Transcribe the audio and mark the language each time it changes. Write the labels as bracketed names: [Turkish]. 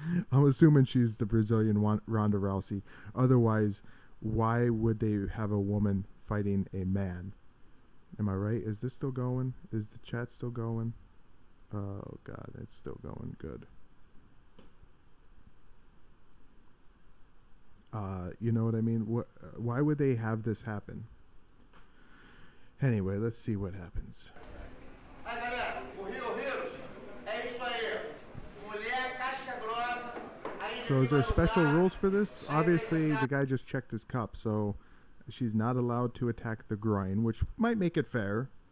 [English] I'm assuming she's the Brazilian Ronda Rousey. Otherwise, why would they have a woman fighting a man? Am I right? Is this still going? Is the chat still going? Oh god, it's still going good. You know what I mean? Why would they have this happen? Anyway, let's see what happens. [Portuguese] Aí galera, o Rio Rios, é isso aí. Mulher casca grossa. [English] So is there special rules for this? Obviously, the guy just checked his cup, so she's not allowed to attack the groin, which might make it fair.